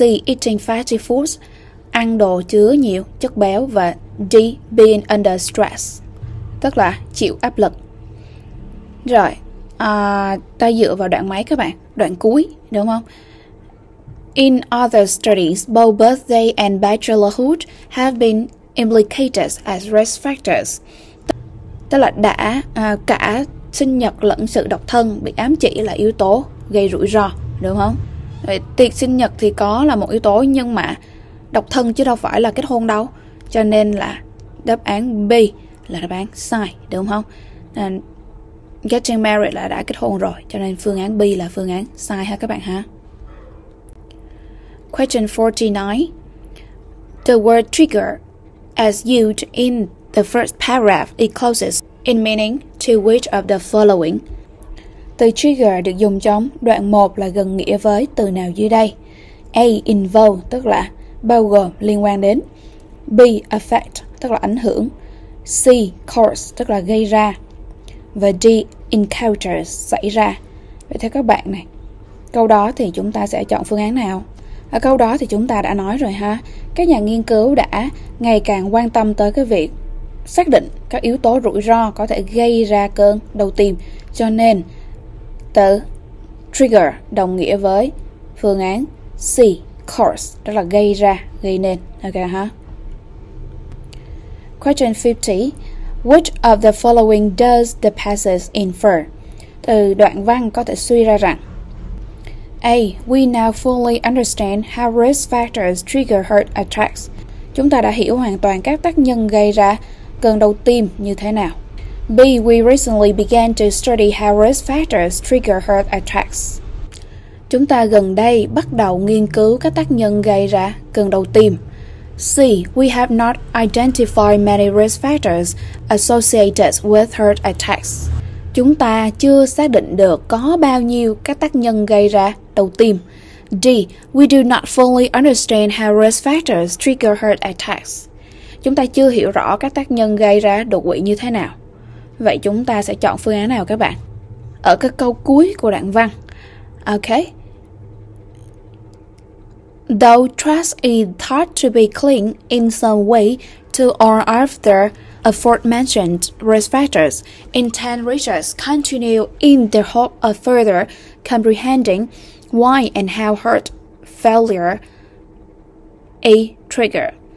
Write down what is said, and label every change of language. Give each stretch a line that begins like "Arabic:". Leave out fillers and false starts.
English: Eating fatty foods,
Vietnamese: ăn đồ chứa nhiều chất béo. Và D.
English: Being under stress,
Vietnamese: tức là chịu áp lực. Rồi, ta dựa vào đoạn mấy các bạn? Đoạn cuối, đúng không?
English: In other studies, both birthday and bachelorhood have been implicated as risk factors.
Vietnamese: Tức là đã cả sinh nhật lẫn sự độc thân bị ám chỉ là yếu tố gây rủi ro, đúng không? Vậy, tiệc sinh nhật thì có là một yếu tố, nhưng mà độc thân chứ đâu phải là kết hôn đâu. Cho nên là đáp án B là đáp án sai, đúng không?
English: And getting married
Vietnamese: là đã kết hôn rồi, cho nên phương án B là phương án sai ha các bạn ha.
English: Question 49. The word trigger as used in the first paragraph is closest in meaning to which of the following?
Vietnamese: Từ trigger được dùng trong đoạn 1 là gần nghĩa với từ nào dưới đây? A. Involve, tức là bao gồm, liên quan đến. B. Affect, tức là ảnh hưởng. C. Cause, tức là gây ra. Và D. Encounter, xảy ra. Vậy theo các bạn này, câu đó thì chúng ta sẽ chọn phương án nào? Ở câu đó thì chúng ta đã nói rồi ha, các nhà nghiên cứu đã ngày càng quan tâm tới cái việc xác định các yếu tố rủi ro có thể gây ra cơn đau tim. Cho nên từ trigger đồng nghĩa với phương án C, cause, đó là gây ra, gây nên. Ok ha.
English: Question 50. Which of the following does the passage infer?
Vietnamese: Từ đoạn văn có thể suy ra rằng A.
English: We now fully understand how risk factors trigger heart attacks.
Vietnamese: Chúng ta đã hiểu hoàn toàn các tác nhân gây ra cơn đau tim như thế nào. B.
English: We recently began to study how risk factors trigger heart attacks.
Vietnamese: Chúng ta gần đây bắt đầu nghiên cứu các tác nhân gây ra cơn đau tim. C.
English: We have not identified many risk factors associated with heart attacks.
Vietnamese: Chúng ta chưa xác định được có bao nhiêu các tác nhân gây ra đau tim. D.
English: We do not fully understand how risk factors trigger heart attacks.
Vietnamese: Chúng ta chưa hiểu rõ các tác nhân gây ra đột quỵ như thế nào. Vậy chúng ta sẽ chọn phương án nào các bạn? Ở các câu cuối của đoạn văn. Ok.
English: Though trust is thought to be clean in some way to or after aforementioned risk factors, intense research continue in the hope of further comprehending why and how heart failure a trigger.